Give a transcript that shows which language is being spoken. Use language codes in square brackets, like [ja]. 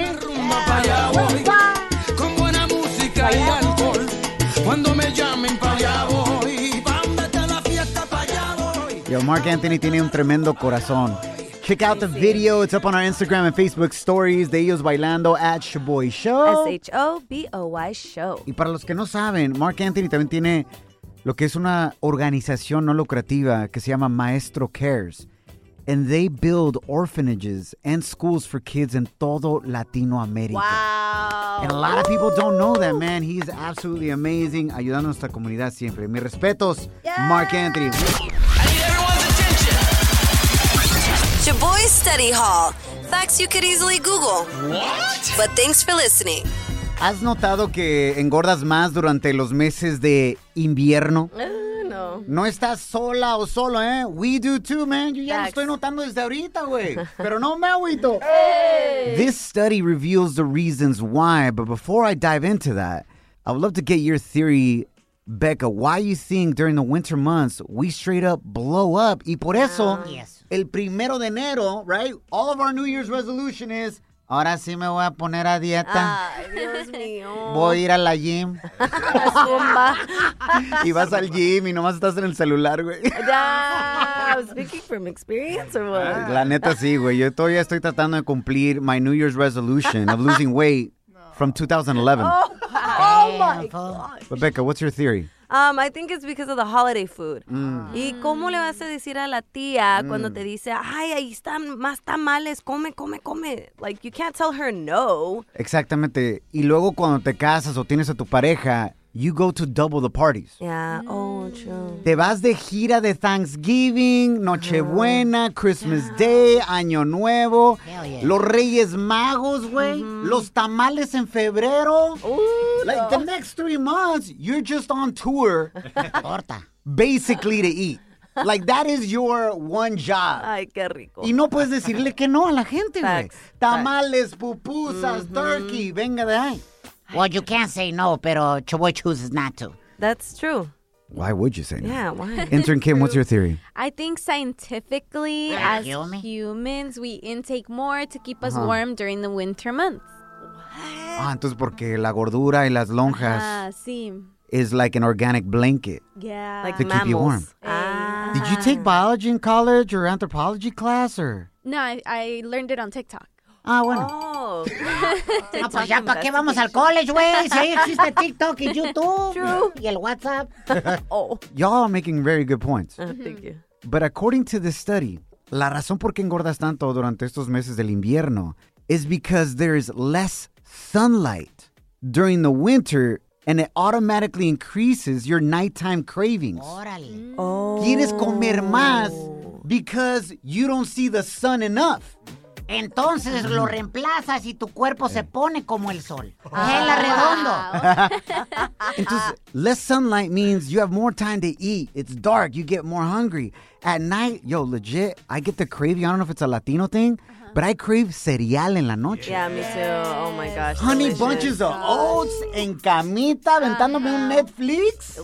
[es] Yeah. Con buena música y alcohol. Cuando me llamen pa' allá voy. Vamos a la fiesta pa' allá voy. Yo, Marc Anthony tiene un tremendo corazón. [en] Check out the video. It's up on our Instagram and Facebook stories. [es] De ellos bailando at Shaboy Show. [en] S-H-O-B-O-Y Show. [es] Y para los que no saben, Marc Anthony también tiene lo que es una organización no lucrativa que se llama Maestro Cares. [en] And they build orphanages and schools for kids in [es] todo Latinoamérica. [en] Wow. And a lot of people don't know that, man. He's absolutely amazing, [es] ayudando a nuestra comunidad siempre. Mis respetos, [en] yeah. Marc Anthony. Shaboy's Study Hall. Facts you could easily Google. What? But thanks for listening. [es] ¿Has notado que engordas más durante los meses de invierno? [en] No. [es] No estás sola o solo, ¿eh? [en] We do too, man. [es] Yo ya lo estoy notando desde ahorita, güey. Pero no me agüito. [en] Hey. This study reveals the reasons why, but before I dive into that, I would love to get your theory, Becca, why you think during the winter months we straight up blow up? [es] Y por eso, el primero de enero, [en] right? All of our New Year's resolution is, [es] ahora sí me voy a poner a dieta. Dios mío. Voy a ir a la gym. La zumba. Y vas al gym y nomás estás en el celular, güey. [en] Ya. Speaking from experience or what? [es] La neta sí, güey. Yo todavía estoy tratando de cumplir [en] my New Year's resolution of losing weight from 2011. Oh. Oh my God. Rebecca, what's your theory? I think it's because of the holiday food. Mm. [es] ¿Y cómo le vas a decir a la tía cuando te dice, ay, ahí están más tamales, come, come, come? [en] Like, you can't tell her no. [es] Exactamente. Y luego cuando te casas o tienes a tu pareja, [en] you go to double the parties. Yeah. Oh, true. [es] Te vas de gira de Thanksgiving, Nochebuena, [en] Christmas Day, [es] Año Nuevo. [en] Hell yeah. [es] Los Reyes Magos, güey. Mm-hmm. Los tamales en febrero. [en] Ooh, like, no. The next 3 months, you're just on tour. [es] Torta. [en] Basically to eat. Like, that is your one job. [es] Ay, qué rico. Y no puedes decirle que no a la gente, güey. Tamales, pupusas, turkey, venga de ahí. [en] Well, you can't say no, pero Chaboy chooses not to. That's true. Why would you say no? Yeah, why? Intern Kim, what's your theory? I think scientifically, as humans, we intake more to keep us warm during the winter months. What? [es] Ah, entonces porque la gordura y las lonjas. Ah, sí. [en] Is like an organic blanket. Yeah. Like to mammals. Keep you warm. Did you take biology in college or anthropology class or? No, I learned it on TikTok. [es] Ah, bueno. [en] Oh. [es] No, pues ya, ¿para qué vamos al college, güey? Si ahí existe TikTok y YouTube. [en] True. [es] Y el WhatsApp. [en] Oh. Y'all are making very good points. Thank you. But according to the study, [es] la razón por qué engordas tanto durante estos meses del invierno [en] is because there is less sunlight during the winter. And it automatically increases your nighttime cravings. [es] Órale. Quieres comer más because you don't see the sun enough. Entonces lo reemplazas y tu cuerpo se pone como el sol. ¡Hela redondo! [en] Entonces, less sunlight means you have more time to eat. It's dark. You get more hungry. At night, yo, legit, I get the craving. I don't know if it's a Latino thing. But I crave cereal [es] en la noche. [en] Yeah, me too. Oh, my gosh. Honey, delicious. Bunches of oats [es] en camita, aventándome un Netflix.